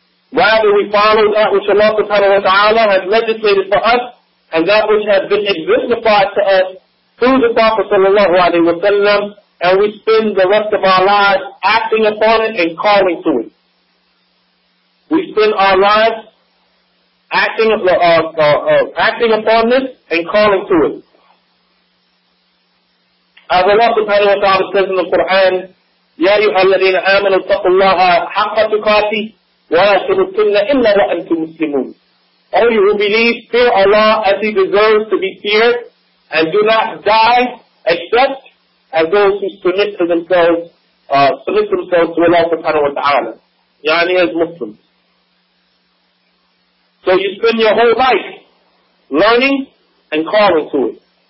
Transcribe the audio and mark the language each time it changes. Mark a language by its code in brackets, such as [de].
[en] Rather, we follow that which Allah subhanahu wa ta'ala has legislated for us, and that which has been exemplified to us through the Prophet sallallahu alayhi wa sallam, and we spend the rest of our lives acting upon it and calling to it. We spend our lives acting upon this and calling to it. As Allah subhanahu wa ta'ala says in the Quran, [ar] يَا أَيُّهَا الَّذِينَ آمَنُوا اتَّقُوا اللَّهَ حَقَّ تُقَاتِهِ وَلَا تَمُوتُنَّ إِلَّا وَأَنْتُمْ مُسْلِمُونَ. [en] All you who believe, fear Allah as He deserves to be feared, and do not die except as those who submit themselves to Allah subhanahu wa ta'ala. Yani as Muslims. So you spend your whole life learning and calling to it.